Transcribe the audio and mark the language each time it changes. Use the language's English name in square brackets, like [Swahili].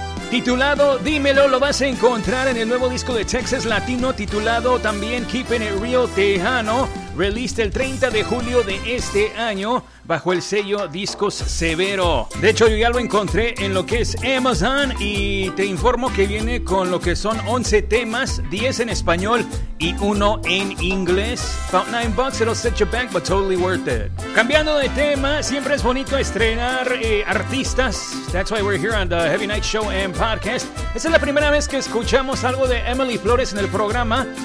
[Spanish] Titulado Dímelo, lo vas a encontrar en el nuevo disco de Texas Latino, titulado también Keeping It Real Tejano, released el 30 de julio de este año bajo el sello Discos Severo. De hecho, yo ya lo encontré en lo que es Amazon y te informo que viene con lo que son 11 temas, 10 en español y 1 en inglés. [English] About $9, it'll set you back, but totally worth it. [Spanish] Cambiando de tema, siempre es bonito estrenar artistas. [English] That's why we're here on the Heavy Night Show and Podcast. [Spanish] Esta es la primera vez que escuchamos algo de Emily Flores en el programa.